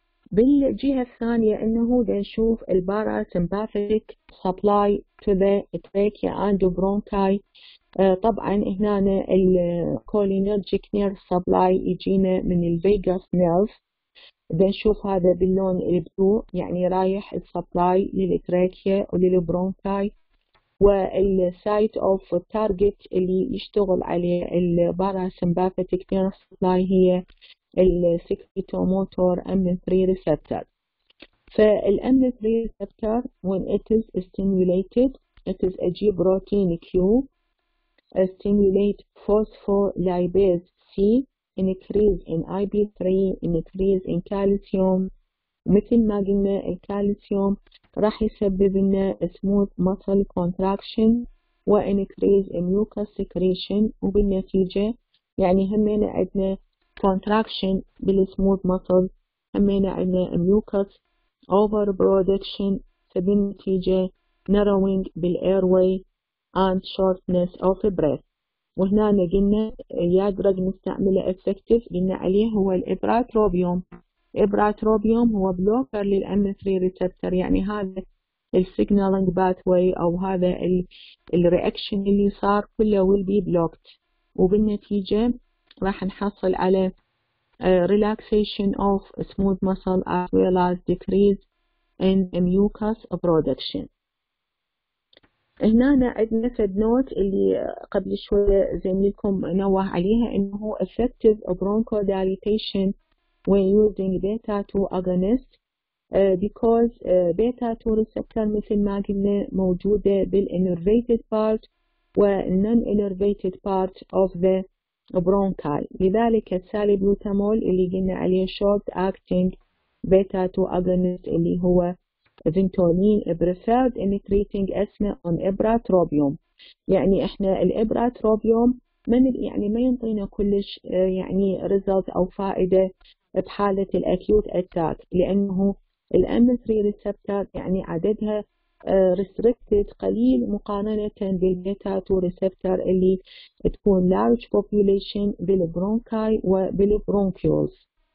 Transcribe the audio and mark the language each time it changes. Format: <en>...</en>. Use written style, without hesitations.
<ar>بالجهة الثانية إنه بنشوف</ar> <en>parasympathetic supply to the trachea and bronchi.</en> <ar>طبعا هنا الcholinergic nerve supply يجينا من vagus nerve. بنشوف هذا باللون البلو، يعني رايح supply للتراكيا وللبرونكاي. والسايت اوف التارجت اللي يشتغل عليه الباراسمباثيتك نيرف سبلاي هي السيكريتو موتور امن 3 ريسبتر. فالامن 3 ريسبتر</ar> <en>when it is stimulated it is a G protein Q stimulate phospholipase C increase in IB3 increase in calcium.</en> <ar>مثل ما قلنا الكالسيوم راح يسبب لنا</ar> <en>smooth muscle contraction</en> <ar>و</ar> <en>increase in mucus secretion،</en> <ar>وبالنتيجة يعني همينا عندنا contraction بالsmooth muscle، همينا عندنا mucus overproduction، فبالنتيجة narrowing بالairway</ar> <en>and shortness of breath.</en> <ar>وهنا قلنا يا درج نستعمله effective، قلنا عليه هو الإبراتروبيوم. إبراتروبيوم هو بلوكر للأمن 3 ريسبتر، يعني هذا السيجنالينج باتوي أو هذا الرياكشن اللي صار كله</ar> <en>will be blocked،</en> <ar>وبالنتيجة راح نحصل على</ar> <en>relaxation of smooth muscle as well as decrease in mucus production.</en> <ar>هنا عندنا فد نوت اللي قبل شوية زميلكم نوه عليها، إنه</ar> <en>effective bronchodilation when using beta 2 agonist because beta 2 receptor</en> <ar>مثل ما قلنا موجودة</ar> <en>بالinnervated part والnoninnervated part of the bronchi،</en> <ar>لذلك السالبيوتامول اللي قلنا عليه</ar> <en>short acting beta 2 agonist</en> <ar>اللي هو فينتولين</ar> <en>preferred in treating asthma on ibratropium.</en> <ar>يعني احنا الابراتروبيوم من يعني ما ينطينا كلش يعني result او فائدة بحالة الأكيوت أتاك، لأنه الأم 3 ريسبتر يعني عددها restricted قليل مقارنة بالبيتا 2 ريسبتر اللي تكون</ar> <en>large population</en> <ar>بالبرونكاي وبالبرونكيوز،</ar>